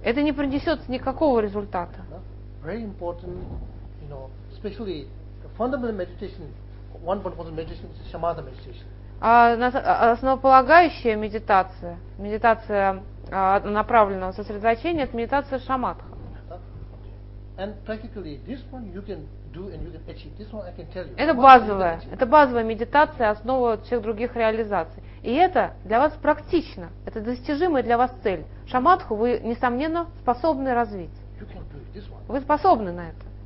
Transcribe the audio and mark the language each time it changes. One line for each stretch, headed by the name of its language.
Russian: Это не принесет никакого результата.
English: Very important, you know, especially the fundamental meditation, one part of the meditation is shamatha meditation.
Russian: Основополагающая медитация, медитация направленного сосредоточения, это медитация шаматха.
English: And practically this one you can do and you can achieve. This one I can tell you.
Russian: Это базовая медитация, основа всех других реализаций. И это для вас практично, это достижимая для вас цель. Шамадху вы, несомненно, способны развить. Вы способны на это.